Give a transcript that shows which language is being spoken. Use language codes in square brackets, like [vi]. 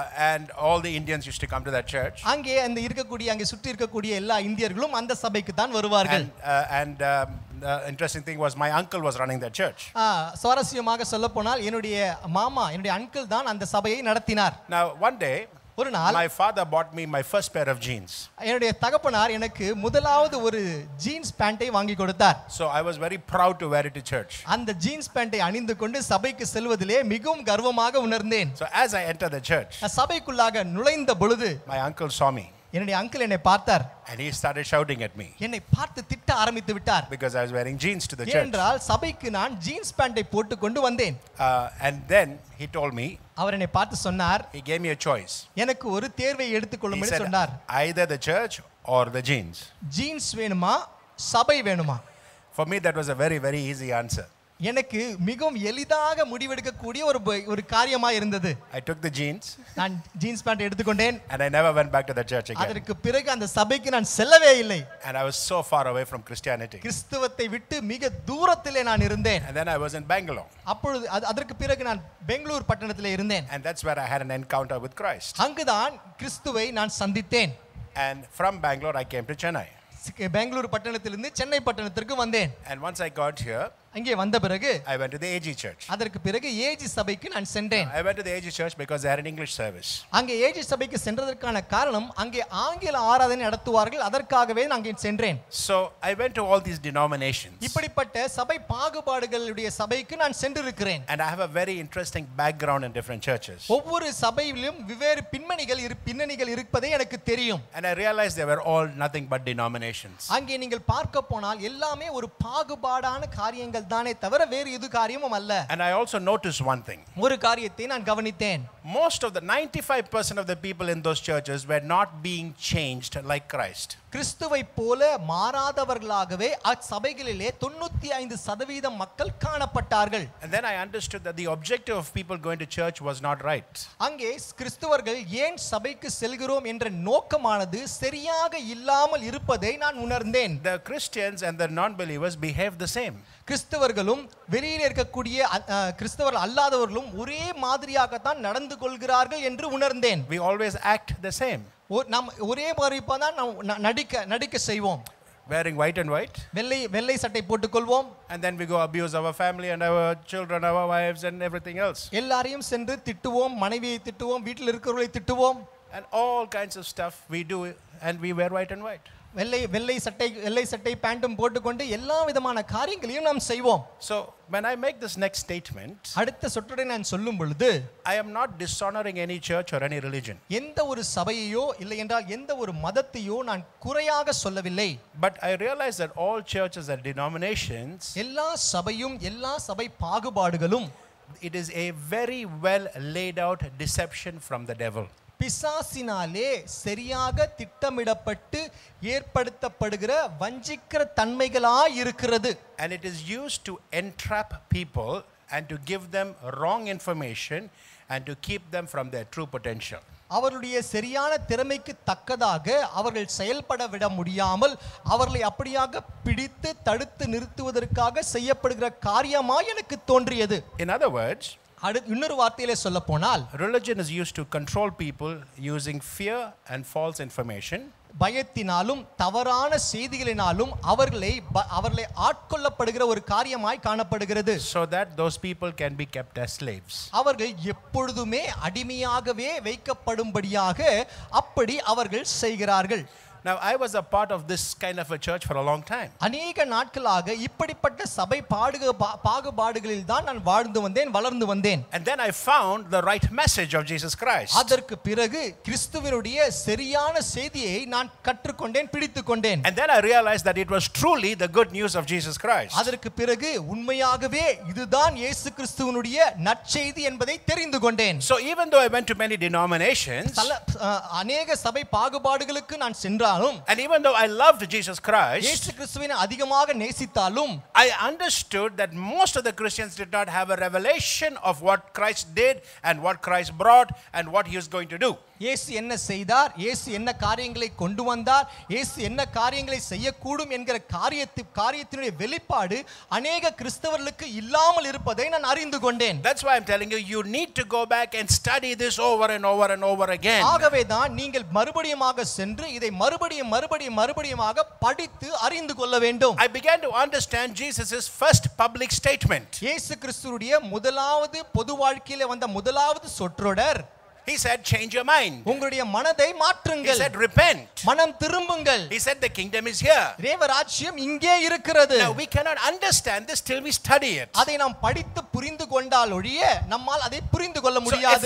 [en] And all the Indians used to come to that church. [ta] அங்கே அந்த இருக்கக்கூடிய அங்கே சுற்றி இருக்கக்கூடிய எல்லா இந்தியர்களும் அந்த சபைக்கு தான் வருவார்கள். [en] And the interesting thing was my uncle was running that church. [ta] சுவாரஸ்யமாக சொல்லப்போனால் என்னுடைய மாமா என்னுடைய அங்கிள் தான் அந்த சபையை நடத்தினார். [en] Now one day my father bought me my first pair of jeans. [ta] என்னுடைய தகப்பனார் எனக்கு முதலாவது ஒரு ஜீன்ஸ் பேண்டை வாங்கி கொடுத்தார். [en] So I was very proud to wear it to church. [ta] அந்த ஜீன்ஸ் பேண்டை அணிந்து கொண்டு சபைக்கு செல்வதிலே மிகவும் கர்வமாக உணர்ந்தேன். [en] So as I entered the church, [ta] சபைக்குள்ளாக நுழைந்த பொழுது [en] my uncle saw me. [ta] என்னுடைய அங்கிள் என்னை பார்த்தார். [en] And he started shouting at me. [ta] என்னை பார்த்து திட்ட ஆரம்பித்து விட்டார். [en] Because I was wearing jeans to the church. [ta] ஏனென்றால் சபைக்கு நான் ஜீன்ஸ் பேண்டை போட்டுக்கொண்டு வந்தேன். [en] And then he told me. [ta] அவர் என்னை பார்த்து சொன்னார். [en] He gave me a choice. [ta] எனக்கு ஒரு தேர்வை எடுத்துக்கொள்ளும் என்று சொன்னார். [en] Either the church or the jeans. [ta] Jeans வேணுமா சபை வேணுமா? [en] For me that was a very very easy answer. [ta] எனக்கு மிகவும் எளிதாக முடிவெடுக்க கூடிய ஒரு காரியமா இருந்தது. [en] I took the jeans. [ta] நான் ஜீன்ஸ் பேண்ட் எடுத்துக்கொண்டேன். [en] And I never went back to the church again. [ta] அதற்கு பிறகு அந்த சபைக்கு நான் செல்லவே இல்லை. [en] And I was so far away from Christianity. [ta] கிறிஸ்தவத்தை விட்டு மிக தூரத்திலே நான் இருந்தேன். [en] And then I was in Bangalore. [ta] அப்பொழுது அதற்கு பிறகு நான் பெங்களூர் பட்டணத்திலே இருந்தேன். [en] And that's where I had an encounter with Christ. [ta] அங்குதான் கிறிஸ்துவை நான் சந்தித்தேன். [en] And from Bangalore I came to Chennai. [ta] Bangalore பட்டணத்திலிருந்து Chennai பட்டணத்திற்கு வந்தேன். [en] And once I got here, [ta] அங்கே வந்த பிறகு [en] I went to the AG church. [ta] அதற்கு பிறகு AG சபைக்கு நான் சென்றேன். [en] I went to the AG church because they had an English service. [ta] அங்கே AG சபைக்கு சென்றதற்கான காரணம் அங்கே ஆங்கில ஆராதனை நடத்துவார்கள் அதற்காகவே நான் அங்கே சென்றேன். [en] So I went to all these denominations. [ta] இப்படிப்பட்ட சபை பாகுபாடுகளுடைய சபைக்கு நான் சென்றிருக்கிறேன். [en] And I have a very interesting background in different churches. [ta] ஒவ்வொரு சபையிலும் வெவ்வேறு பின்னணிகள் இருப்பதை எனக்கு தெரியும். [en] And I realized they were all nothing but denominations. [ta] அங்கே நீங்கள் பார்க்க போனால் எல்லாமே ஒரு பாகுபாடான காரியங்கள் தானே தவிர வேறு எது காரியமும் அல்ல. [en] And I also noticed one thing. [ta] ஒரு காரியத்தை நான் கவனித்தேன். [en] Most of the 95% of the people in those churches were not being changed like Christ. [ta] கிறிஸ்துவை போல மாறாதவர்களாகவே அச்சபைகளிலே 95% மக்கள் காணப்பட்டார்கள். [en] And then I understood that the objective of people going to church was not right. [ta] அங்கே கிறிஸ்தவர்கள் ஏன் சபைக்கு செல்கிறோம் என்ற நோக்கமானது சரியாக இல்லாமல் இருப்பதை நான் உணர்ந்தேன். [en] The Christians and the non-believers behave the same. [ta] கிறிஸ்தவர்களும் வெளியில் இருக்கக்கூடிய கிறிஸ்தவர்கள் அல்லாதவர்களும் ஒரே மாதிரியாகத்தான் நடந்து கொள்கிறார்கள் என்று உணர்ந்தேன். [en] We always act the same. [ta] நாம் ஒரே மாதிரிப்பதான் நாம் நடிக்க செய்வோம். [en] Wearing white and white. [ta] வெள்ளை சட்டை போட்டு கொள்வோம். [en] And then we go abuse our family and our children, our wives and everything else. [ta] எல்லாரையும் சென்று திட்டுவோம், மனைவியை திட்டுவோம், வீட்டில் இருக்கிறவர்களை திட்டுவோம். [en] And all kinds of stuff we do and we wear white and white. [ta] வெள்ளை சட்டை பேண்டும் போட்டுக்கொண்டு எல்லா விதமான காரியங்களையும் நாம் செய்வோம். [en] So when I make this next statement, [ta] அடுத்த சொற்றை நான் சொல்லும் பொழுது [en] I am not dishonoring any church or any religion. [ta] எந்த ஒரு சபையையோ இல்லை என்றால் எந்த ஒரு மதத்தையோ நான் குறையாக சொல்லவில்லை. [en] But I realize that all churches are denominations. [ta] எல்லா சபை பாகுபாடுகளும் [en] it is a very well laid out deception from the devil. [ta] பிசாசினாலே சரியாக திட்டமிடப்பட்டு ஏற்படுத்தப்படுகிற வஞ்சிக்கிற தன்மைகளாய் இருக்கிறது. [en] And it is used to entrap people and to give them wrong information and to keep them from their true potential. [ta] அவருடைய சரியான திறமைக்கு தக்கதாக அவர்கள் செயல்பட விட முடியாமல் அவர்களை அப்படியாக பிடித்து தடுத்து நிறுத்துவதற்காக செய்யப்படுகிற காரியமாய் எனக்கு தோன்றியது. [en] In other words, [ta] இன்னொரு வார்த்தையிலே சொல்ல போனால் [en] religion is used to control people using fear and false information. [ta] பயத்தினாலும் தவறான செய்திகளினாலும் அவர்களை ஆட்கொள்ளப்படுகிற ஒரு காரியமாய் காணப்படுகிறது. [en] So that those people can be kept as slaves. [ta] அவர்கள் எப்பொழுதுமே அடிமையாகவே வைக்கப்படும்படியாக அப்படி அவர்கள் செய்கிறார்கள். [en] Now I was a part of this kind of a church for a long time. [ta] அநேக நாட்களாக இப்படிப்பட்ட சபை பாகுபாடுகளில் தான் நான் வாழ்ந்து வந்தேன், வளர்ந்து வந்தேன். [en] And then I found the right message of Jesus Christ. [ta] அதற்கு பிறகு கிறிஸ்துவினுடைய சரியான செய்தியை நான் கற்றுக்கொண்டேன், பிடித்துக் கொண்டேன். [en] And then I realized that it was truly the good news of Jesus Christ. [ta] அதற்கு பிறகு உண்மையாகவே இதுதான் இயேசு கிறிஸ்துவினுடைய நற்செய்தி என்பதை தெரிந்து கொண்டேன். [en] So even though I went to many denominations, [ta] அநேக சபை பாகுபாடுகளுக்கு நான் சென்றேன். இருந்தாலும் [en] and even though I loved Jesus Christ [ta] இயேசு கிறிஸ்துவினை அதிகமாக நேசித்தாலும் [en] I understood that most of the Christians did not have a revelation of what Christ did and what Christ brought and what he was going to do [ta] இயேசு என்ன செய்தார் இயேசு என்ன காரியங்களை கொண்டு வந்தார் இயேசு என்ன காரியங்களை செய்யக்கூடும் என்கிற காரியத்தினுடைய வெளிப்பாடு அநேக கிறிஸ்தவர்களுக்கு இல்லாமல் இருப்பதை நான் அறிந்து கொண்டேன் [en] That's why I'm telling you you need to go back and study this over and over and over again [ta] ஆகவே தான் நீங்கள் மறுபடியுமாக சென்று இதை மறுபடியும் மறுபடியும் மறுபடியுமாக படித்து அறிந்து கொள்ள வேண்டும் [en] I began to understand Jesus's first public statement [ta] இயேசு கிறிஸ்துவுடைய முதலாவது பொது வாழ்க்கையில வந்த முதலாவது சொற்றொடர் [en] He said, change your mind. [ta] உங்களுடைய மனதை மாற்றுங்கள். [en] He said, repent. [ta] மனம் திரும்புங்கள். [en] He said, the kingdom is here. [ta] தேவராஜ்யம் இங்கே இருக்கிறது. [en] Now we cannot understand this till we study it. [ta] அதை நாம் படித்து புரிந்து கொண்டால் ஒழிய நம்மால் அதை புரிந்து கொள்ள முடியாது.